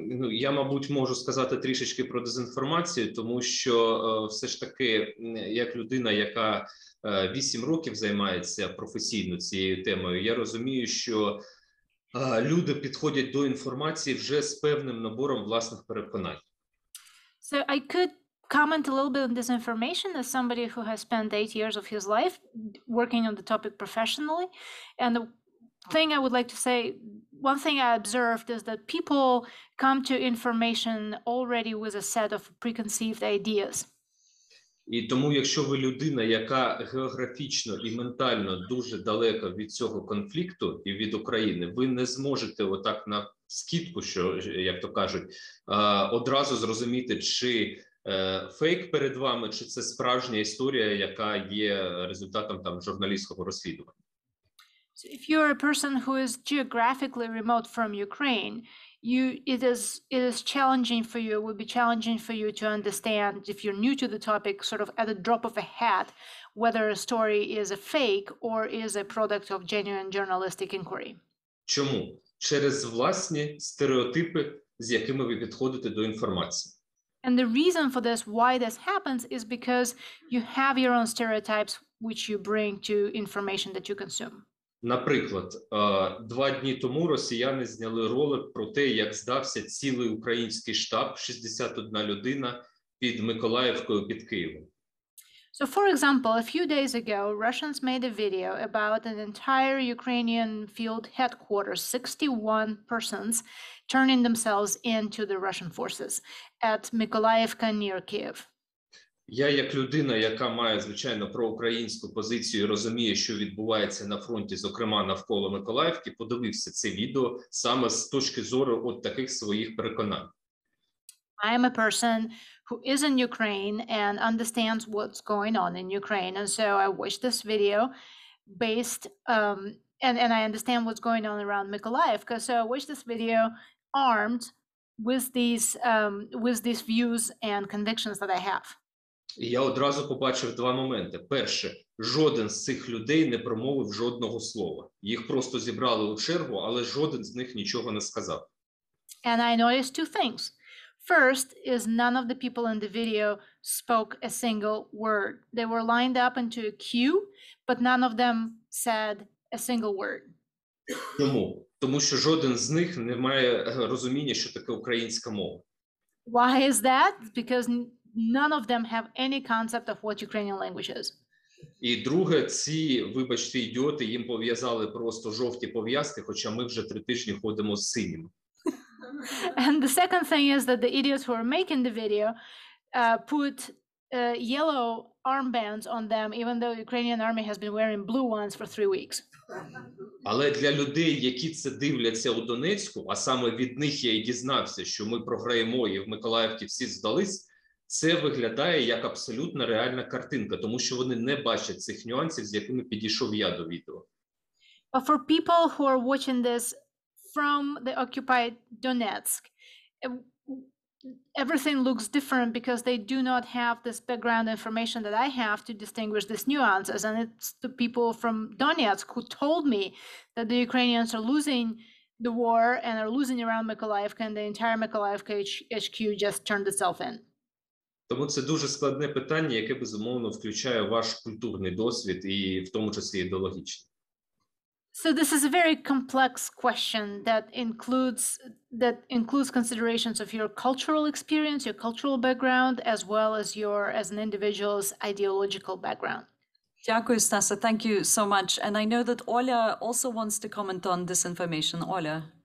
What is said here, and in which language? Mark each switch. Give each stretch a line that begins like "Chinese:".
Ukrainian: Я, мабуть, можу сказати трішечки про дезінформацію, тому що все ж таки, як людина, яка 8 років займається професійно цією темою, я розумію, що люди підходять до інформації вже з певним набором власних переконань.
English: So I could comment a little bit on this information as somebody who has spent 8 years of his life working on the topic professionally. And the thing I would like to say, one thing I observed is that people come to information already with a set of preconceived ideas.
Ukrainian: І тому, якщо ви людина, яка географічно і ментально дуже далека від цього конфлікту і від України, ви не зможете отак на скидку, що, як то кажуть, одразу зрозуміти, чи фейк перед вами, чи це справжня історія, яка є результатом там журналістського розслідування.
English: So if you're a person who is geographically remote from Ukraine, it is challenging for you, it would be challenging for you to understand, if you're new to the topic, sort of at a drop of a hat, whether a story is a fake or is a product of genuine journalistic inquiry.
Ukrainian: Чому? Через власні стереотипи, з якими ви підходите до інформації.
English: And the reason for this, why this happens, is because you have your own stereotypes which you bring to information that you consume.
Ukrainian: Наприклад, 2 дні тому росіяни зняли ролик про те, як здався цілий український штаб, 61 людина, під Миколаївкою, під Києвом.
English: So, for example, a few days ago, Russians made a video about an entire Ukrainian field headquarters, 61 persons, turning themselves into the Russian forces at Mykolaivka near Kyiv.
Ukrainian: Я як людина, яка має, звичайно, проукраїнську позицію, розуміє, що відбувається на фронті, зокрема, навколо Миколаївки, подивився це відео саме з точки зору от таких своїх переконань.
English: I am a person who is in Ukraine and understands what's going on in Ukraine, and so I watched this video based and I understand what's going on around Mykolaivka, so I watched this video armed with these views and convictions that I have.
Ukrainian: Я одразу побачив два моменти. Перше, жоден з цих людей не промовив жодного слова. Їх просто зібрали у чергу, але жоден з них нічого не сказав.
English: And I noticed two things. First is none of the people in the video spoke a single word. They were lined up into a queue, but none of them said a single word.
Ukrainian: Чому? Тому що жоден з них не має розуміння, що таке українська мова.
English: Why is that? Because none of them have any concept of what Ukrainian language is.
Ukrainian: І друге, ці, вибачте, ідіоти, їм пов'язали просто жовті пов'язки, хоча ми вже 3 тижні ходимо з синім.
English: And the second thing is that the idiots who are making the video put yellow armbands on them, even though the Ukrainian army has been wearing blue ones for 3 weeks.
Ukrainian: Але для людей, які це дивляться у Донецьку, а саме від них я і дізнався, що ми програємо і в Миколаївці всі здались, це виглядає як абсолютно реальна картинка, тому що вони не бачать цих нюансів, з якими підійшов я до відео.
English: But for people who are watching this from the occupied Donetsk, everything looks different because they do not have this background information that I have to distinguish these nuances. And it's the people from Donetsk who told me that the Ukrainians are losing the war and are losing around Mykolaivka, and the entire Mykolaivka HQ just turned itself in.
Ukrainian: Тому це дуже складне питання, яке, безумовно, включає ваш культурний досвід і в тому числі ідеологічний.
English: So this is a very complex question that includes considerations of your cultural experience, your cultural background, as well as your, as an individual's ideological background.
Ukrainian: Дякую, Стаса.
English: Thank you so much. And I know that Оля also wants to comment on this information. Оля.